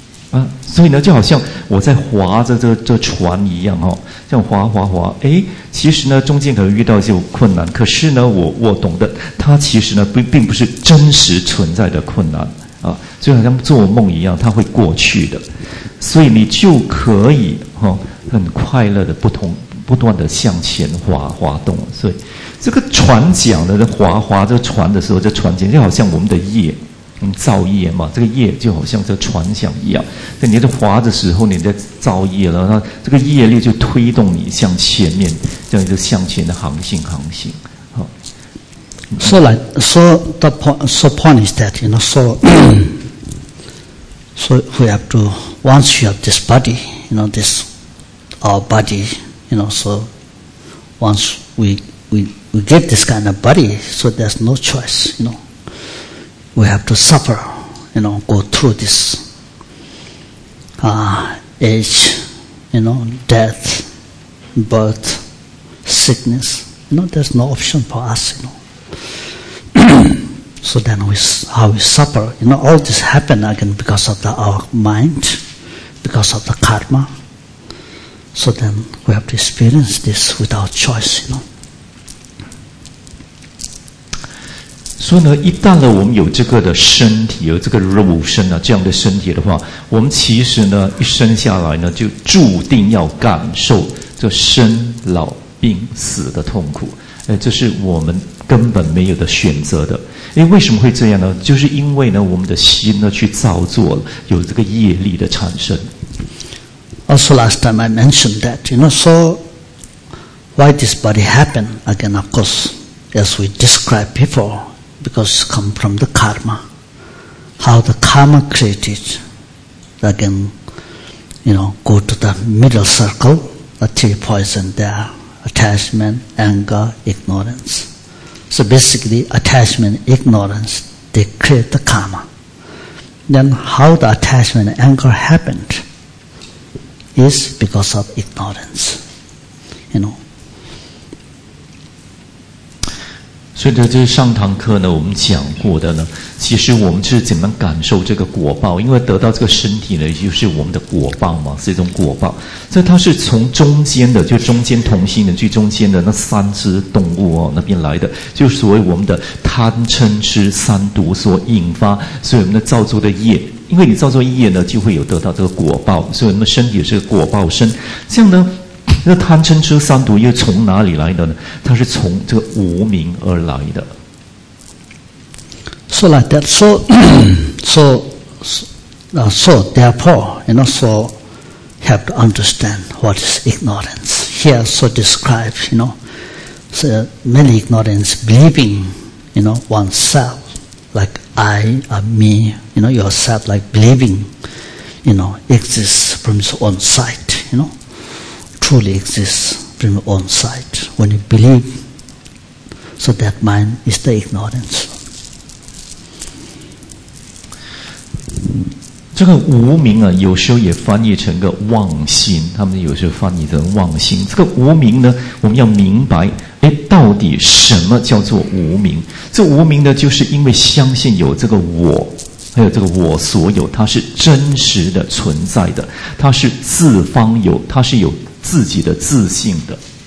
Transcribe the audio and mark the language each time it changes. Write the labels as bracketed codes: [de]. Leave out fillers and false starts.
[zh] 啊，所以呢，就好像我在划着这船一样哦，这样划划划，哎，其实呢，中间可能遇到一些困难，可是呢，我懂得，它其实呢，并不是真实存在的困难啊，就好像做梦一样，它会过去的，所以你就可以哈、哦，很快乐的不断的向前滑动，所以这个船桨呢，划这船的时候，这船桨就好像我们的业。造业嘛，这个业就好像这船桨一样，在你在划的时候，你在造业了，那这个业力就推动你向前面，这样就向前的航行。好，说来说 [en] the point, so point is that you know, so so we have to once you have this body, you know, this our body, you know, so once we get this kind of body, so there's no choice, you know. We have to suffer, you know, go through this age, you know, death, birth, sickness. You know, there's no option for us, you know. So then how we suffer, you know, all this happen again because of our mind, because of the karma. So then we have to experience this without choice, you know. [zh] 所以呢，一旦呢，我们有这个的身体，有这个肉身啊，这样的身体的话，我们其实呢，一生下来呢，就注定要感受这生老病死的痛苦。哎，这是我们根本没有的选择的。哎，为什么会这样呢？就是因为呢，我们的心呢，去造作了有这个业力的产生。 [en] Also, last time I mentioned that, you know, so why this body happen again? Of course, as we described before. Because it comes from the karma. How the karma created, again, you know, go to the middle circle, the three poison there, attachment, anger, ignorance. So basically, attachment, ignorance, they create the karma. Then how the attachment and anger happened is because of ignorance, you know. [zh] 所以呢，就是上堂课呢，我们讲过的呢，其实我们是怎么感受这个果报？因为得到这个身体呢，就是我们的果报嘛，是一种果报。所以它是从中间的，就中间同心的最中间的那三只动物哦那边来的，就是所谓我们的贪嗔痴三毒所引发，所以我们的造作的业。因为你造作业呢，就会有得到这个果报，所以我们身体是个果报身。这样呢。那贪嗔痴三毒又从哪里来的呢？它是从这个无明而来的。 [en] So like that. So, so, so, so therefore, you know, so have to understand what is ignorance. Here, so describes, you know, so many ignorance believing, you know, oneself, like I, me, you know, yourself, like believing, you know, exists from its own sight, you know. Truly exists from your own sight. When you believe, so that mind is the ignorance. [zh] 这个无明啊，有时候也翻译成个妄心，他们有时候翻译成妄心。这个无明呢，我们要明白，哎，到底什么叫做无明？这无明呢，就是因为相信有这个我。还有这个我所有，它是真实的存在的，它是自方有，它是有自己的自信的。